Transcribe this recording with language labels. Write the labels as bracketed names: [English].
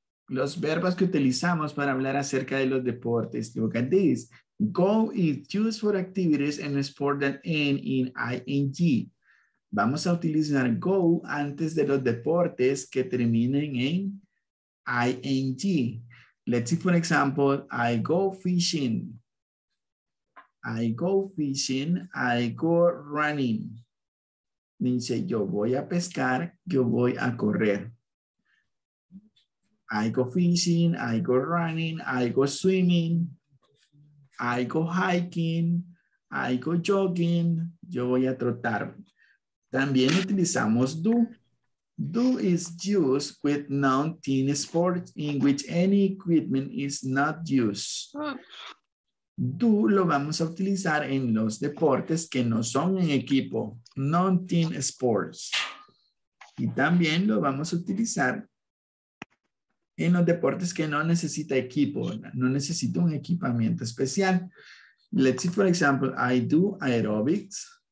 [Spanish] Los verbos que utilizamos para hablar acerca de los deportes. [English] Look at this. Go is used for activities and sports that end in ing. [Spanish] Vamos a utilizar go antes de los deportes que terminen en ing. [English] Let's see, for example, I go fishing. I go running. [Spanish] Dice, yo voy a pescar, yo voy a correr. [English] I go fishing, I go running, I go swimming. I go hiking, I go jogging, [Spanish] yo voy a trotar. También utilizamos do. [English] Do is used with non-team sports in which any equipment is not used. [Spanish] Do lo vamos a utilizar en los deportes que no son en equipo, [English] non-team sports. [Spanish] Y también lo vamos a utilizar en los deportes que no necesita equipo, no necesita un equipamiento especial. [English] Let's see, for example, I do aerobics.